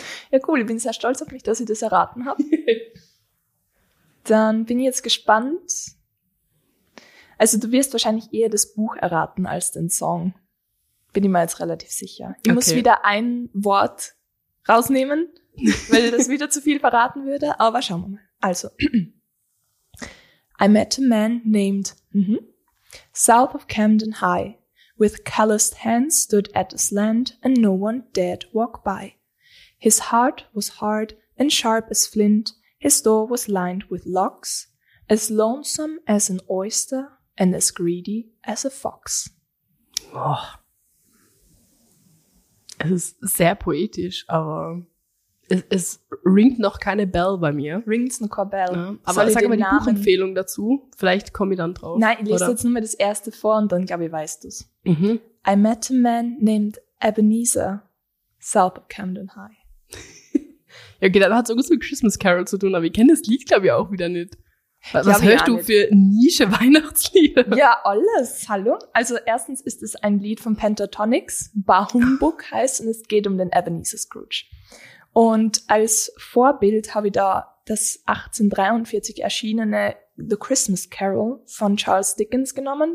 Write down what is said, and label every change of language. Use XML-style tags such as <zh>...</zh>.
<de>Ja, cool. Ich bin sehr stolz auf mich, dass ich das erraten habe. Dann bin ich jetzt gespannt. Also du wirst wahrscheinlich eher das Buch erraten als den Song. Bin ich mir jetzt relativ sicher. Ich muss wieder ein Wort rausnehmen, weil das wieder zu viel verraten würde. Aber schauen wir mal. Also.</de> <en>I met a man named South of Camden High. With calloused hands stood at the slant and no one dared walk by. His heart was hard and sharp as flint, his door was lined with locks, as lonesome as an oyster and as greedy as a fox. Oh.</en> <de>Es ist sehr poetisch, aber es ringt noch keine Bell bei mir. Ringt noch keine Bell. Ja, aber sag mal die Namen? Buchempfehlung dazu, vielleicht komme ich dann drauf. Nein, ich lese jetzt nur mal das erste vor und dann, glaube ich, weißt du es.</de> <en>I met a man named Ebenezer, south of Camden High.</en> <de>Ja, okay, dann hat es irgendwas mit Christmas Carol zu tun, aber ich kenne das Lied, glaube ich, auch wieder nicht. Was hörst du für Nische Weihnachtslieder? Ja, alles. Hallo. Also erstens ist es ein Lied von Pentatonix, Bar Humbug heißt, und es geht um den Ebenezer Scrooge. Und als Vorbild habe ich da das 1843 erschienene The Christmas Carol von Charles Dickens genommen.</de>